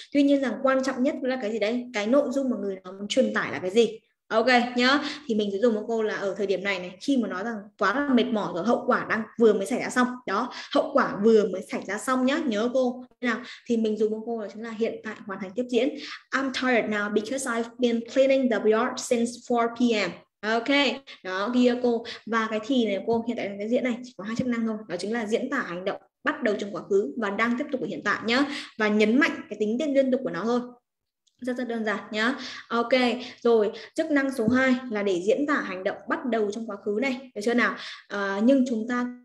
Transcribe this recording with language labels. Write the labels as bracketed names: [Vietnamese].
[Vietnamese] Tuy nhiên rằng quan trọng nhất là cái gì đấy, cái nội dung mà người nó truyền tải là cái gì. Ok nhớ thì mình sẽ dùng một câu là ở thời điểm này này, khi mà nói rằng quá là mệt mỏi rồi, hậu quả đang vừa mới xảy ra xong đó, hậu quả vừa mới xảy ra xong nhá, nhớ cô nào, thì mình dùng một câu là chính là hiện tại hoàn thành tiếp diễn. [English] I'm tired now because I've been cleaning the yard since 4 p.m. [Vietnamese] Ok, đó ghi cô. Và cái thì này cô, hiện tại cái diễn này chỉ có hai chức năng thôi, đó chính là diễn tả hành động bắt đầu trong quá khứ và đang tiếp tục ở hiện tại nhá, và nhấn mạnh cái tính liên tục của nó thôi. Rất rất đơn giản nhá. Ok, rồi chức năng số 2 là để diễn tả hành động bắt đầu trong quá khứ này, được chưa nào? Nhưng chúng ta